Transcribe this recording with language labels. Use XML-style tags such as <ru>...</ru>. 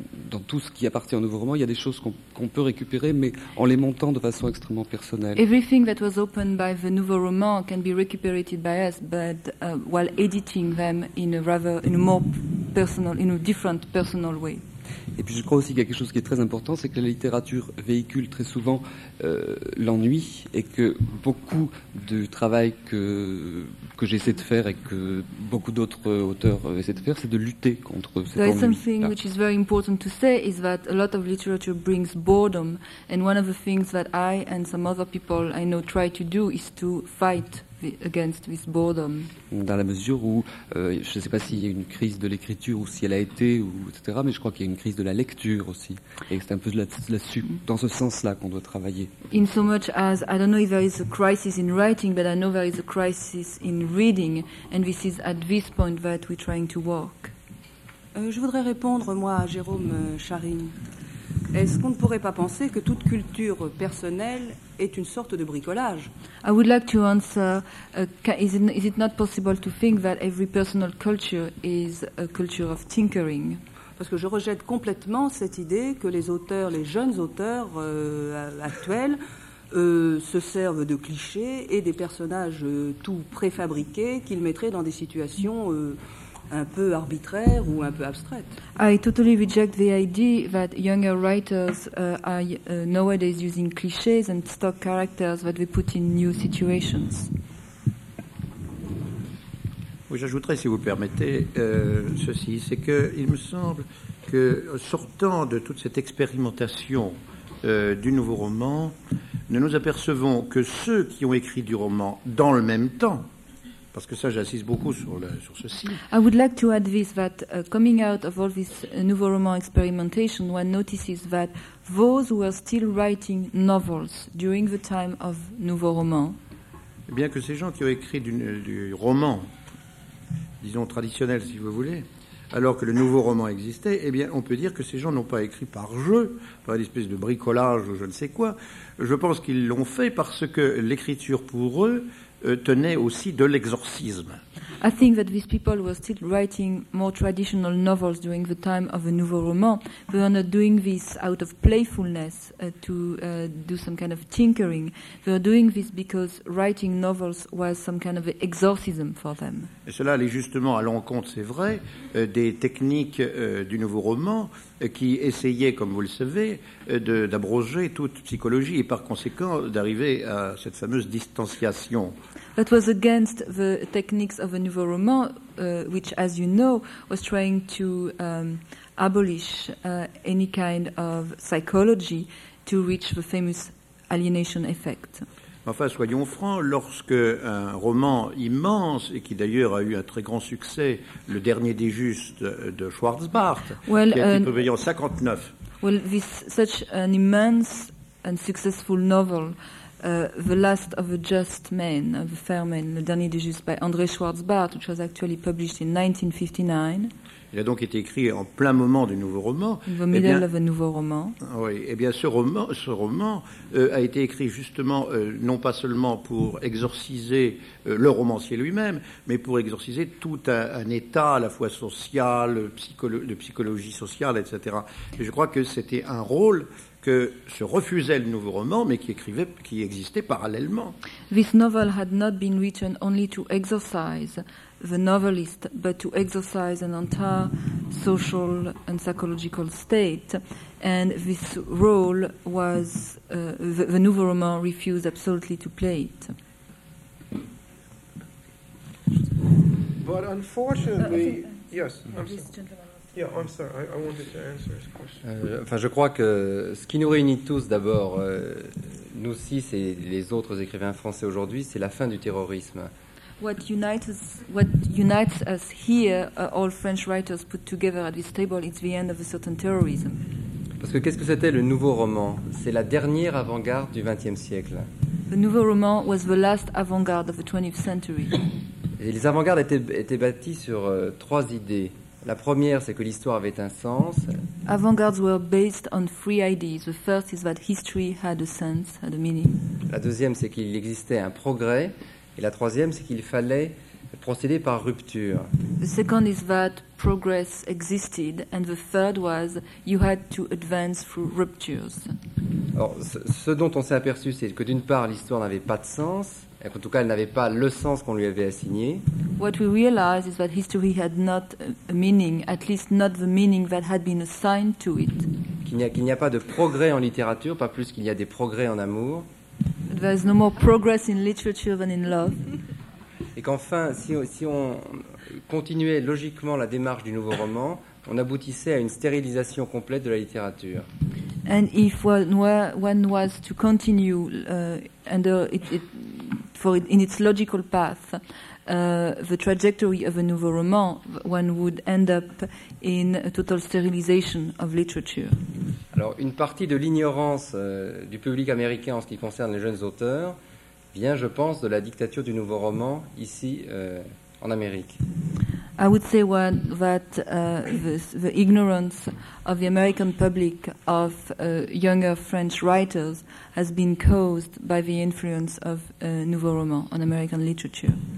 <fr>Dans tout ce qui appartient au nouveau roman, il y a des choses qu'on peut récupérer, mais en les montant de façon extrêmement personnelle.</fr> <en>Everything that was opened by the nouveau roman can be recuperated by us, but while editing them in a different personal way.</en> <fr>Et puis je crois aussi qu'il y a quelque chose qui est très important, c'est que la littérature véhicule très souvent l'ennui, et que beaucoup du travail que j'essaie de faire et que beaucoup d'autres auteurs essaient de faire, c'est de lutter contre cet ennui.</fr> <en>There is something which is very important to say is that a lot of literature brings boredom, and one of the things that I and some other people I know try to do is to fight against this boredom.</en> <fr>Dans la mesure où, je ne sais pas s'il y a une crise de l'écriture ou si elle a été, ou, etc., mais je crois qu'il y a une crise de la lecture aussi. Et c'est un peu là-dessus, dans ce sens-là, qu'on doit travailler.</fr> <en>In so much as, I don't know if there is a crisis in writing, but I know there is a crisis in reading, and this is at this point that we're trying to work.</en> <fr>Je voudrais répondre, moi, à Jérôme Charyn. Est-ce qu'on ne pourrait pas penser que toute culture personnelle est une sorte de bricolage?</fr> <en>I would like to answer, is it not possible to think that every personal culture is a culture of tinkering?</en> <fr>Parce que je rejette complètement cette idée que les auteurs, les jeunes auteurs actuels, se servent de clichés et des personnages tout préfabriqués qu'ils mettraient dans des situations... un peu arbitraire ou un peu abstraite.</fr> <en>I totally reject the idea that younger writers are nowadays using clichés and stock characters that they put in new situations.</en> <fr>Oui, j'ajouterais, si vous le permettez, ceci. C'est qu'il me semble que, sortant de toute cette expérimentation du nouveau roman, nous nous apercevons que ceux qui ont écrit du roman dans le même temps, parce que ça, j'insiste beaucoup sur ceci.</fr> <en>I would like to add this, that coming out of all this nouveau roman experimentation, one notices that those who are still writing novels during the time of nouveau roman...</en> <fr>Bien que ces gens qui ont écrit du roman, disons traditionnel, si vous voulez, alors que le nouveau roman existait, eh bien, on peut dire que ces gens n'ont pas écrit par jeu, par une espèce de bricolage ou je ne sais quoi. Je pense qu'ils l'ont fait parce que l'écriture pour eux... tenaient aussi de l'exorcisme.</fr> <en>I think that these people were still writing more traditional novels during the time of the Nouveau Roman. They were not doing this out of playfulness to do some kind of tinkering. They were doing this because writing novels was some kind of exorcism for them.</en> <fr>Et cela allait justement à l'encontre, c'est vrai, des techniques du Nouveau Roman qui essayaient, comme vous le savez, d'abroger toute psychologie et par conséquent d'arriver à cette fameuse distanciation.</fr> <en>That was against the techniques of the Nouveau Roman, which, as you know, was trying to abolish any kind of psychology to reach the famous alienation effect.</en> <fr>Enfin, soyons francs, lorsque un roman immense, et qui d'ailleurs a eu un très grand succès, Le Dernier des Justes de Schwarzbart, well, qui a été publié en 59.</fr> <en>Well, this such an immense and successful novel, The Last of the Just Men, of the Fair Men, Le Dernier des Justes, by André Schwarzbart, which was actually published in 1959.</en> <fr>Il a donc été écrit en plein moment du Nouveau Roman.</fr> <en>In the middle of a Nouveau Roman.</en> <fr>Oui, et bien ce roman a été écrit justement, non pas seulement pour exorciser le romancier lui-même, mais pour exorciser tout un état, à la fois social, de psychologie sociale, etc. Et je crois que c'était un rôle que se refusait le Nouveau Roman, mais qui existait parallèlement.</fr> <en>This novel had not been written only to exorcise the novelist, but to exorcise an entire social and psychological state. And this role was the Nouveau Roman refused absolutely to play it. But unfortunately, yes, I'm sorry. Yeah, I'm sorry. I wanted to answer his question.</en> <fr>Enfin, je crois que ce qui nous réunit tous, d'abord, nous six et les autres écrivains français aujourd'hui, c'est la fin du terrorisme.</fr> <en>What unites us here, all French writers put together at this table, it's the end of a certain terrorism.</en> <fr>Parce que qu'est-ce que c'était le Nouveau Roman? C'est la dernière avant-garde du XXe siècle.</fr> <en>The Nouveau Roman was the last avant-garde of the 20th century.</en> <fr>Et les avant-gardes étaient bâties sur trois idées. La première, c'est que l'histoire avait un sens.</fr> <en>Avant-gardes were based on three ideas. The first is that history had a sense, had a meaning.</en> <fr>La deuxième, c'est qu'il existait un progrès. Et la troisième, c'est qu'il fallait procéder par rupture.</fr> <en>The second is that progress existed. And the third was you had to advance through ruptures.</en> <fr>Alors, ce dont on s'est aperçu, c'est que d'une part, l'histoire n'avait pas de sens. En tout cas, elle n'avait pas le sens qu'on lui avait assigné.</fr> <en>What we realize is that history had not a meaning, at least not the meaning that had been assigned to it.</en> <fr>Qu'il n'y a pas de progrès en littérature, pas plus qu'il y a des progrès en amour.</fr> <en>But there is no more progress in literature than in love.</en> <fr>Et qu'enfin, si on continuait logiquement la démarche du Nouveau Roman, on aboutissait à une stérilisation complète de la littérature.</fr> <en>And if one was to continue under it for in its logical path, the trajectory of a Nouveau Roman, one would end up in a total sterilization of literature.</en> <fr>Alors, une partie de l'ignorance du public américain en ce qui concerne les jeunes auteurs vient, je pense, de la dictature du Nouveau Roman ici en Amérique.</fr> <en>I would say that the ignorance of the American public of younger French writers has been caused by the influence of Nouveau Roman on American literature.</en>